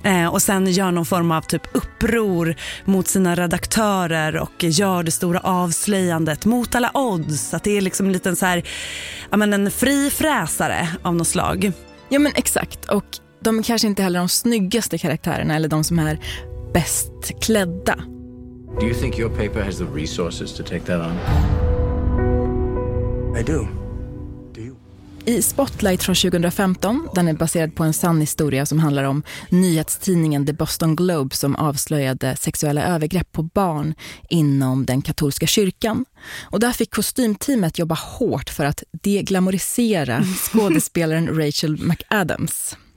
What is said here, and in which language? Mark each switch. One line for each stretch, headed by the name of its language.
Swedish: Och sen gör någon form av typ uppror mot sina redaktörer och gör det stora avslöjandet mot alla odds. Att det är liksom en liten så här, ja men en frifräsare av något slag. Ja men exakt. Och de är kanske inte heller de snyggaste karaktärerna eller de som är bäst klädda.
English: Do you think your paper has the resources to take that on? I do.
Swedish: I Spotlight från 2015, den är baserad på en sann historia som handlar om nyhetstidningen The Boston Globe som avslöjade sexuella övergrepp på barn inom den katolska kyrkan. Och där fick kostymteamet jobba hårt för att deglamorisera skådespelaren Rachel McAdams.